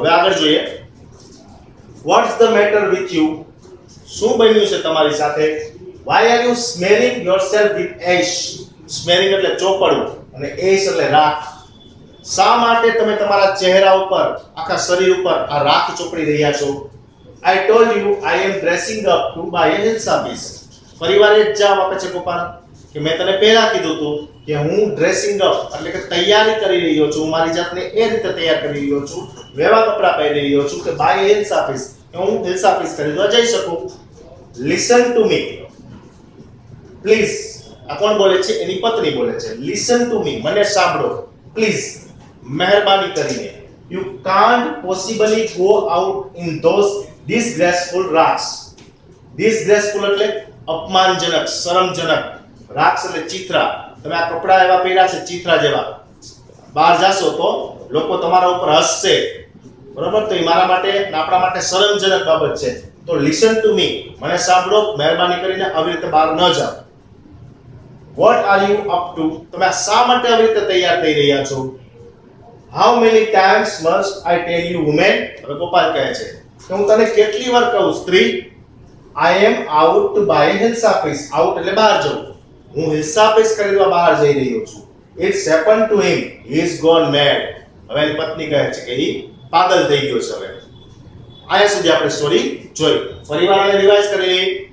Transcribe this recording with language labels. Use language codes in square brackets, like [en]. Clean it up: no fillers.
[gu] હવે આગળ જોઈએ. [en] What's the matter with you? [gu] શું બન્યું છે તમારી સાથે? [en] Why are you smelling yourself with ash? [gu] Smelling એટલે ચોપડવું અને એશ એટલે રાખ. શા માટે તમે તમારા ચહેરા ઉપર આખા શરીર ઉપર આ રાખ ચોપડી રહ્યા છો? [en] I told you I am dressing up to buy a hilsa fish. [gu] પરિવારે જવાબ આપે છે ગોપાલ કે મેં તને પહેલા કીધું હતું કે હું ડ્રેસિંગ અપ એટલે કે તૈયારી કરી રહ્યો છું, મારી જાતને એ રીતે તૈયાર કરી રહ્યો છું, વેવા કપડાં પહેરી રહ્યો છું કે [en] buy a hilsa fish, [gu] કે હું hilsa fish ખરીદવા જઈ શકું. [en] Listen to me, please. [gu] આ કોણ બોલે છે? એની પત્ની બોલે છે. [en] Listen to me, [gu] મને સાંભળો. [en] Please, [gu] મહેરબાની કરીને. [en] You can't possibly go out in those disgraceful rags. [gu] ડિસગ્રેસફુલ એટલે અપમાનજનક, શરમજનક. રાક્સ એટલે ચિત્રા. તમે આ કપડાં એવા પહેર્યા છે ચિત્રા જેવા, બહાર જશો તો લોકો તમારા ઉપર હસશે, બરોબર? તો એ મારા માટે ને આપણા માટે શરમજનક બાબત છે. તો [en] listen to me, [gu] મને સાંભળો, મહેરબાની કરીને આવી રીતે બહાર ન જાઓ. [en] What are you up to? [gu] તમે આ શા માટે આવી રીતે તૈયાર થઈ રહ્યા છો? [en] How many times must I tell you, woman? [gu] Gopal કહે છે કે હું તને કેટલી વાર કહું સ્ત્રી? [en] I am out to buy a hilsa fish. [gu] Out એટલે બહાર જવું. હું હિસાબ પેશ કરી દેવા બહાર જઈ રહ્યો છું. [en] It's happen to him, he is gone mad. [gu] હવે એની પત્ની કહે છે કે ઈ પાગલ થઈ ગયો છે. હવે આયા સુધી આપણે સ્ટોરી જોઈ, ફરીવાર એને રિવાઇઝ કરી લઈએ.